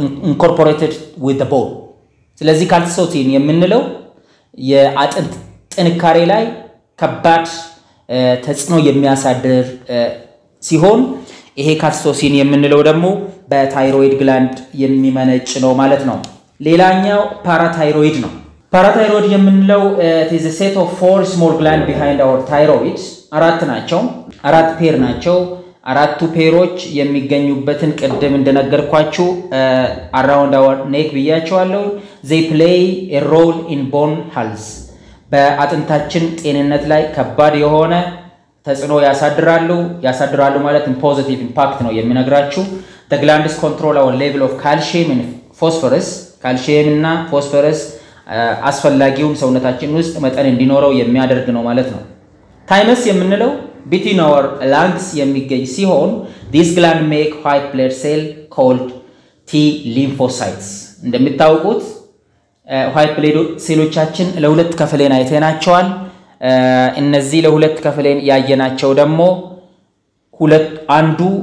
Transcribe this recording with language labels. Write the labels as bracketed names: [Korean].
[English] incorporated with the bone [Amharic] ስለዚህ ካልሲቶሲን የምንለው የአጥንት ጥንካሬ ላይ ከባድ ተጽዕኖ የሚያሳድር ሲሆን ይሄ ካልሲቶሲን የምንለው ደግሞ በታይሮይድ ግላንድ የሚመነጭ ነው ማለት ነው ሌላኛው ፓራታይሮይድ ነው። ፓራታይሮይድ የምንለው [English] it is a set of four small gland behind our thyroid. [Amharic] አራት ናቸው። አራት ፔር ናቸው። አራቱ ፔሮች የሚገኙበትን ቀደም እንደነገርኳችሁ [English] around our neck [Amharic] ብያቸዋለሁ። [English] They play a role in bone health. [Amharic] በአጥንታችን ጤንነት ላይ ከባድ የሆነ ተጽዕኖ ያሳድራሉ። ያሳድራሉ ማለት ኢን ፖዚቲቭ ኢምፓክት ነው የሚነግራችሁ። [English] The glands control our level of calcium and phosphorus. [Amharic] calcium እና phosphorus አስፈላጊውን ሰውነታችን ውስጥ መጠን እንዲኖረው የሚያደርግ ነው ማለት ነው። thymus የምንለው [English] between our lungs [Amharic] የሚገኝ ሲሆን [English] this gland make white blood cell called T lymphocytes. [Amharic] እንደምታውቁት white blood cellsዎቻችን ለሁለት ከፍለን አይተናቸዋል። እነዚህ ለሁለት ከፍለን ያየናቸው ደግሞ ሁለት አንዱ